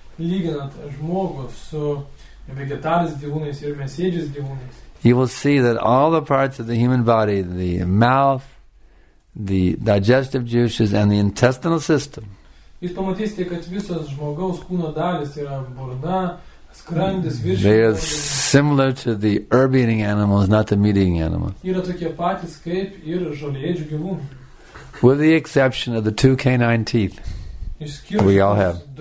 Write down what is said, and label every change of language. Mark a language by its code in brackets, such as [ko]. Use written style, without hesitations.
[lt] lyginant žmogų su vegetariniais gyvūnais ir mėsėdžiais gyvūnais. [en] You will see that all the parts of the human body, the mouth, the digestive juices, and the intestinal system. [lt] Jūs pamatysite, kad visos žmogaus kūno dalys yra burna, skrandis, virškinimas. [en] They are similar to the herb-eating animals, not the meat-eating animals. [lt] Yra tokie patys kaip ir žolėdžių gyvūnų. [en] With the exception of the two canine teeth. We all have.